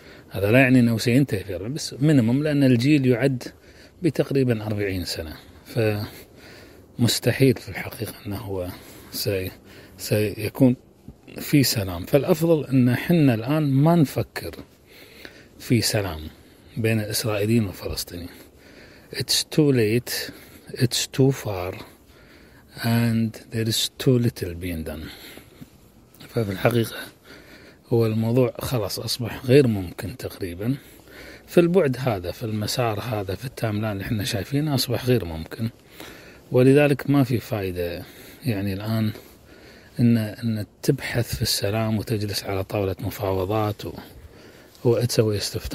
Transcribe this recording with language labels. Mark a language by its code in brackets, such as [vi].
[ar] هذا لا يعني أنه سينتهي في 40، بس مينيمم، لأن الجيل يعد بتقريبا 40 سنة، فمستحيل في الحقيقة أنه هو سيكون في سلام. فالأفضل أن حنا الآن ما نفكر في سلام بين الإسرائيليين والفلسطينيين. [en] It's too late, it's too far, and there is too little being done. [ar] ففي الحقيقة هو الموضوع خلاص أصبح غير ممكن تقريبا في البعد هذا، في المسار هذا، في التاملان اللي احنا شايفينه أصبح غير ممكن. ولذلك ما في فائدة يعني الآن إن تبحث في السلام وتجلس على طاولة مفاوضات هو [en] it's a waste of time.